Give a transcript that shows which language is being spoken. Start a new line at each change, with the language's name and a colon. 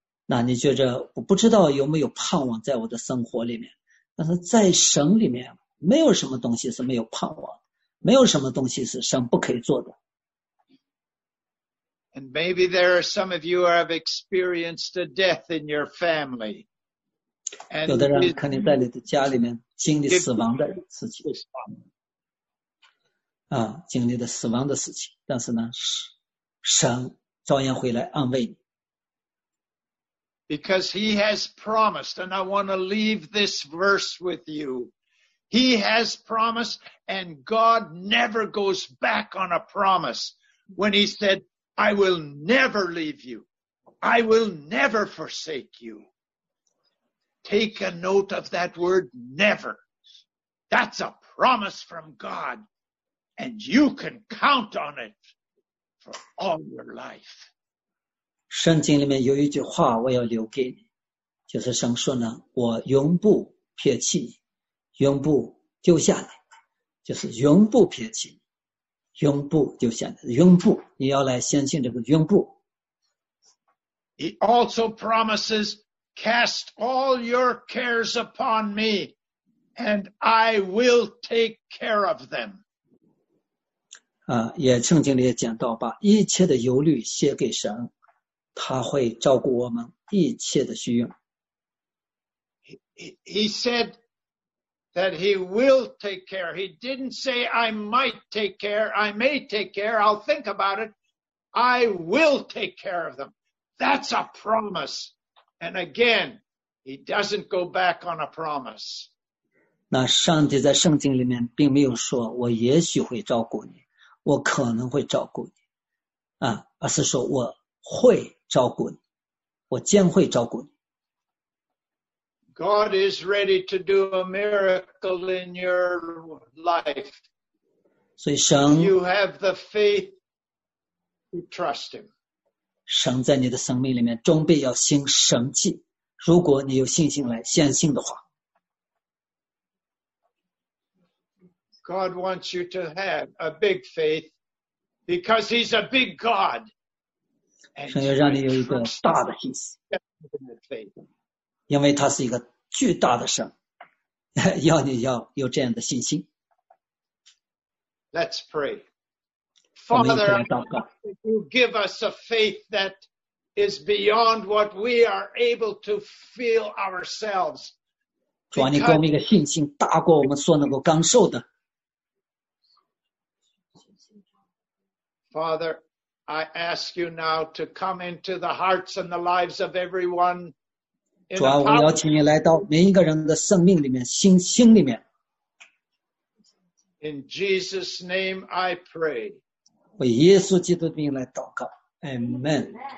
Chinese: 那你觉着我不知道有没有盼望在我的生活里面，但是在神里面没有什么东西是没有盼望，没有什么东西是神不可以做的。
English: And maybe there are some of you who have experienced a death in your family.
Chinese: 有的人肯定在你的家里面经历死亡的事情。经历的死亡的事情，但是呢，神照样会来安慰你。
English: Because he has promised, and I want to leave this verse with you. He has promised, and God never goes back on a promise when he said, I will never leave you. I will never forsake you. Take a note of that word, never. That's a promise from God, and you can count on it for all your life.
Chinese: 圣经里面有一句话我要留给你，就是神说呢，我永不撇弃你，永不丢下你，就是永不撇弃你，永不丢下你，永不，你要来相信这个永不。
English: He also promises, cast all your cares upon me, and I will take care of them.
Chinese: 也圣经里也讲到，把一切的忧虑写给神。他会照顾我们一切的需用。
English: He said that he will take care. He didn't say I might take care, I may take care, I'll think about it. I will take care of them. That's a promise. And again, he doesn't go back on a promise.
Chinese: 那上帝在圣经里面并没有说我也许会照顾你，我可能会照顾你，而是说我会照顾你，我将会照顾你。
English: God is ready to do a miracle in your life.
Chinese: 所以神
English: ，You have the faith to trust Him.
Chinese: 神在你的生命里面终必要行神迹，如果你有信心来相信的话。
English: God wants you to have a big faith because He's a big God.
Chinese: 神要让你有一个大的信心，因为他是一个巨大的神，要你要有这样的信心。
English: Let's pray. Father, you give us a faith that is beyond what we are able to feel ourselves.
Chinese: 主啊，你给我们一个信心，大过我们所能够感受的。
English: Father. I ask you now to come into the hearts and the lives of everyone.
Chinese: 主啊，我邀请你来到每一个人的生命里面，心里面。
English: In Jesus' name, I pray.
Chinese: 为耶稣基督的名来祷告。
English: Amen.